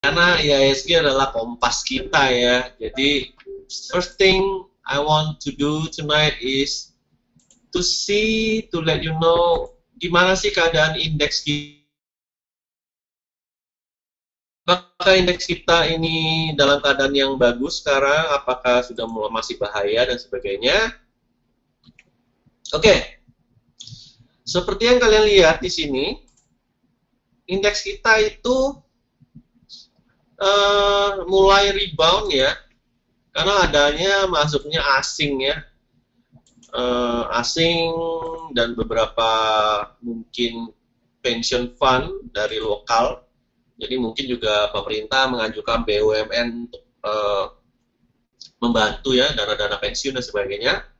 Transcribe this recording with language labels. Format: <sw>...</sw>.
<id>Karena IISG adalah kompas kita ya. Jadi</id> <en>first thing I want to do tonight is to see, to let you know</en> <id>gimana sih keadaan indeks kita. Apakah indeks kita ini dalam keadaan yang bagus sekarang? Apakah sudah mulai masih bahaya dan sebagainya? Oke. Seperti yang kalian lihat di sini, indeks kita itu mulai rebound ya, karena adanya masuknya asing ya, asing dan beberapa mungkin pension fund dari lokal, jadi mungkin juga pemerintah mengajukan BUMN untuk membantu ya, dana-dana pensiun dan sebagainya.</id>